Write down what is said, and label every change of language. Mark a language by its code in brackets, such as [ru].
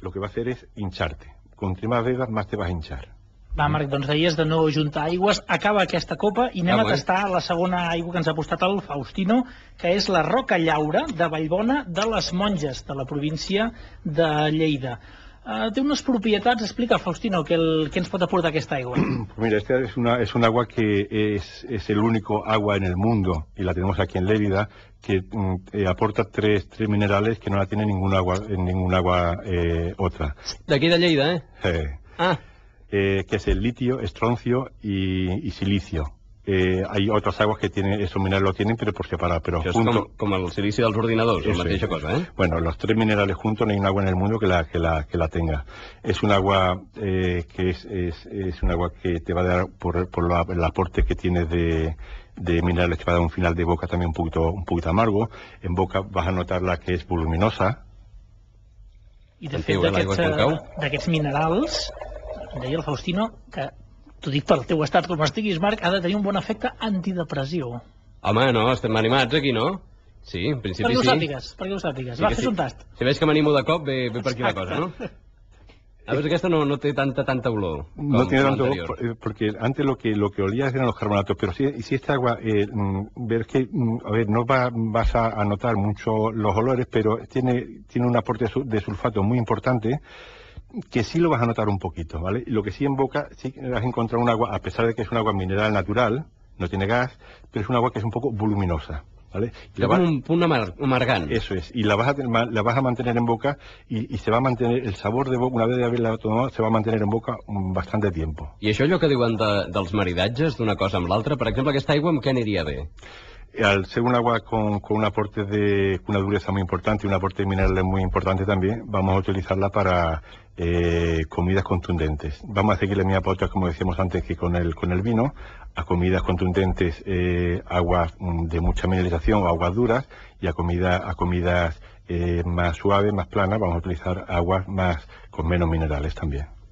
[es] Lo que va a hacer es hincharte. Contra más bebas, más te vas a hinchar. [ca] Va, Marc, doncs deies de no ajuntar aigües. Acaba aquesta copa i anem a tastar la segona aigua que ens ha apostat el Faustino, que és la Roca Llaura de Vallbona de les Monges, de la província de Lleida. Té unes propietats. Explica, Faustino, què ens pot aportar aquesta aigua. [es] Mira, esta es un agua que es el único agua en el mundo, y la tenemos aquí en Lleida, que aporta tres minerales que no la tiene ningún agua otra. [ca] D'aquí de Lleida, [es] Que es el litio, estroncio y silicio. Hay otras aguas que tienen, esos minerales lo tienen, pero por separado. Pero es junto... como el silicio de los ordenadores, la mateixa cosa, ¿eh? Bueno, los tres minerales juntos, no hay un agua en el mundo que la tenga. Es un agua que es un agua que te va a dar, por el aporte que tienes de minerales, te va a dar un final de boca también un poquito amargo. En boca vas a notar la que es voluminosa. [ca] I de fet, d'aquests minerals... Deia el Faustino que, t'ho dic pel teu estat com estiguis, Marc, ha de tenir un bon efecte antidepressiu. Home, no, estem animats aquí, no? Sí, en principi sí. Perquè ho sàpigues. Va, fes un tast. Si veig que m'animo de cop, ve per aquí la cosa, no? A veure, aquesta no té tanta olor. [es] No té tanta olor, perquè antes lo que olías eran los carbonatos, pero si esta agua, ver que, a ver, no vas a notar mucho los olores, pero tiene un aporte de sulfato muy importante, que sí lo vas a notar un poquito, ¿vale? Lo que sí en boca, sí vas a encontrar un agua, a pesar de que es un agua mineral natural, no tiene gas, pero es un agua que es un poco voluminosa. ¿Vale? Y la vas... un punt amargant. Eso es. Y la vas a mantener en boca y se va a mantener el sabor de boca, una vez de haberla tomado, se va a mantener en boca bastante tiempo. [ca] I això allò que diuen dels maridatges, d'una cosa amb l'altra, per exemple, aquesta aigua amb què aniria bé? [es] Al ser un agua con un aporte de una dureza muy importante y un aporte de minerales muy importante también, vamos a utilizarla para comidas contundentes. Vamos a seguir la misma pauta, como decíamos antes, que con el vino, a comidas contundentes, aguas de mucha mineralización o aguas duras, y a comidas más suaves, más planas, vamos a utilizar aguas más con menos minerales también.